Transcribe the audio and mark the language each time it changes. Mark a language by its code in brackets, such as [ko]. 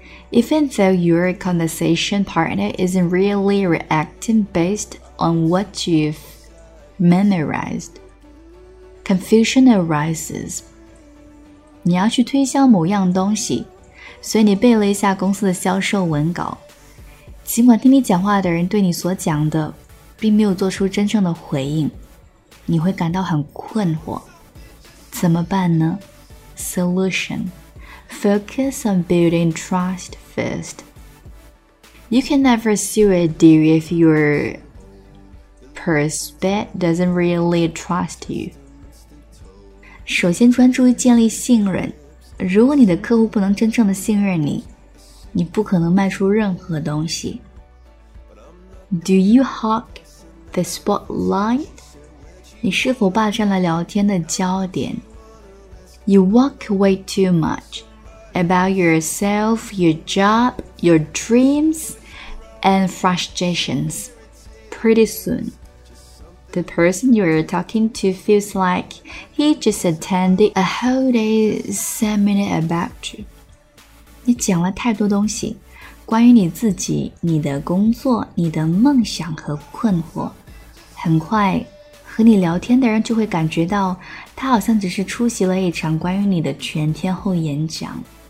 [en] Even though your conversation partner isn't really reacting based on what you've memorized, confusion arises. [zh] 你要去推销某样东西，所以你背了一下公司的销售文稿，尽管听你讲话的人对你所讲的并没有做出真正的回应，你会感到很困惑。怎么办呢？ [en] Solution: Focus on building trust first. You can never sue a deal if your prospect doesn't really trust you. [zh] 首先专注于建立信任，如果你的客户不能真正的信任你，你不可能卖出任何东西。 [en] Do you hog the spotlight? [zh] 你是否霸占了聊天的焦点？ [en] You walk away too much about yourself, your job, your dreams, and frustrations. Pretty soon, the person you are talking to feels like he just attended a whole day seminar about you. [zh] 你讲了太多东西，关于你自己、你的工作、你的梦想和困惑，很快和你聊天的人就会感觉到他好像只是出席了一场关于你的全天候演讲。